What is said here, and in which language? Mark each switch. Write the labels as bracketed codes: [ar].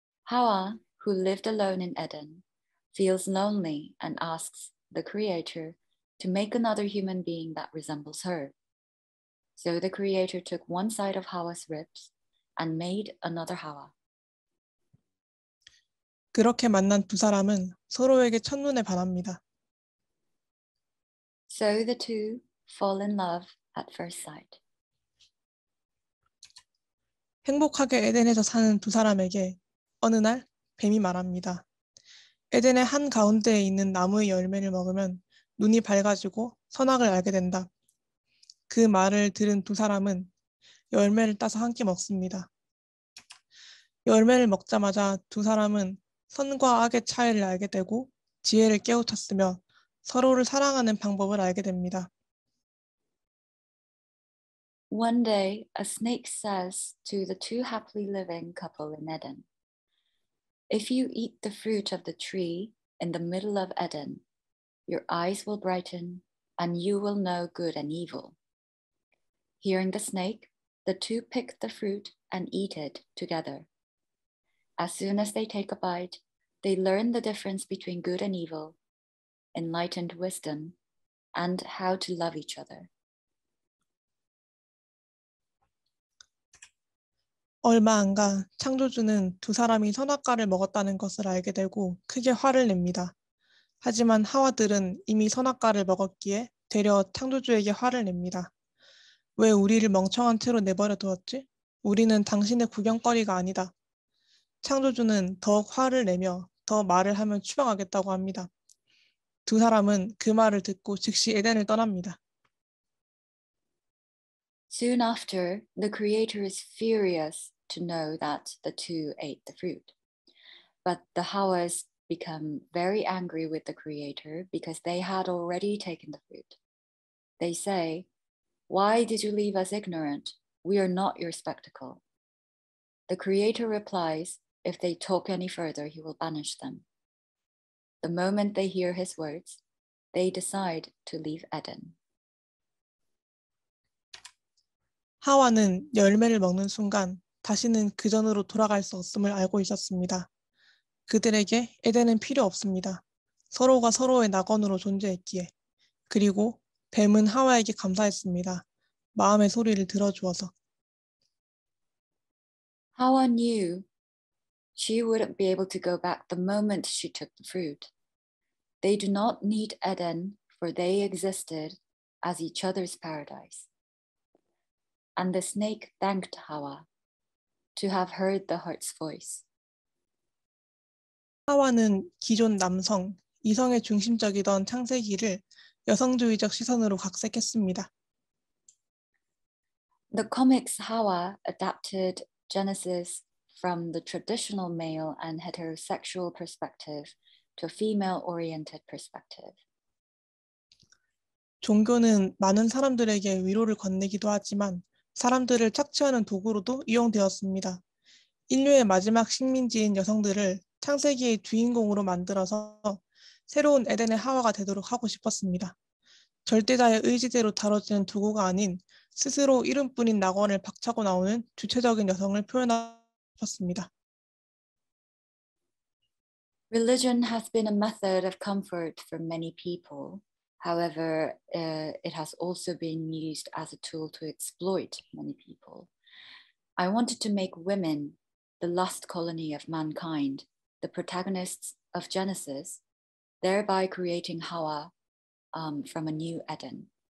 [en] HAWWAH, who lived alone in Eden, feels lonely and asks the creator to make another human being that resembles her. So the creator took one side of HAWWAH's ribs and made another HAWWAH. [ko] 그렇게 만난 두 사람은 서로에게 첫눈에 반합니다. [en] So the two fall in love at first sight. [ko] 행복하게 에덴에서 사는 두 사람에게 어느 날 뱀이 말합니다. 에덴의 한 가운데에 있는 나무의 열매를 먹으면 눈이 밝아지고 선악을 알게 된다. 그 말을 들은 두 사람은 열매를 따서 한 끼 먹습니다. 열매를 먹자마자 두 사람은 선과 악의 차이를 알게 되고 지혜를 깨우쳤으며 서로를 사랑하는 방법을 알게 됩니다. [en] One day, a snake says to the two happily living couple in Eden, "If you eat the fruit of the tree in the middle of Eden, your eyes will brighten and you will know good and evil." Hearing the snake, the two pick the fruit and eat it together. As soon as they take a bite, they learn the difference between good and evil, enlightened wisdom, and how to love each other. [ko] 얼마 안 가 창조주는 두 사람이 선악과를 먹었다는 것을 알게 되고 크게 화를 냅니다. 하지만 하와들은 이미 선악과를 먹었기에 되려 창조주에게 화를 냅니다. 왜 우리를 멍청한 채로 내버려 두었지? 우리는 당신의 구경거리가 아니다. 창조주는 더욱 화를 내며 더 말을 하면 추방하겠다고 합니다. 두 사람은 그 말을 듣고 즉시 에덴을 떠납니다. [en] Soon after, the creator is furious to know that the two ate the fruit. But the Hawwahs become very angry with the creator because they had already taken the fruit. They say, "Why did you leave us ignorant? We are not your spectacle." The creator replies, "If they talk any further, he will banish them." The moment they hear his words, they decide to leave Eden. [ko] 하와는 열매를 먹는 순간 다시는 그전으로 돌아갈 수 없음을 알고 있었습니다. 그들에게 에덴은 필요 없습니다. 서로가 서로의 낙원으로 존재했기에. 그리고 뱀은 하와에게 감사했습니다. 마음의 소리를 들어주어서. [en] Hawa knew she wouldn't be able to go back the moment she took the fruit. They do not need Eden, for they existed as each other's paradise. And the snake thanked Hawa to have heard the heart's voice. [ko] 하와는 기존 남성, 이성의 중심적이던 창세기를 여성주의적 시선으로 각색했습니다. [en] The comics Hawa adapted Genesis from the traditional male and heterosexual perspective to a female-oriented perspective. [ko] 종교는 많은 사람들에게 위로를 건네기도 하지만 사람들을 착취하는 도구로도 이용되었습니다. 인류의 마지막 식민지인 여성들을 창세기의 주인공으로 만들어서 새로운 에덴의 하와가 되도록 하고 싶었습니다. 절대자의 의지대로 다뤄지는 도구가 아닌 스스로 이름뿐인 낙원을 박차고 나오는 주체적인 여성을 표현하고 싶었습니다. [en] Religion has been a method of comfort for many people. However, it has also been used as a tool to exploit many people. I wanted to make women, the last colony of mankind, the protagonists of Genesis, thereby creating Hawa from a new Eden.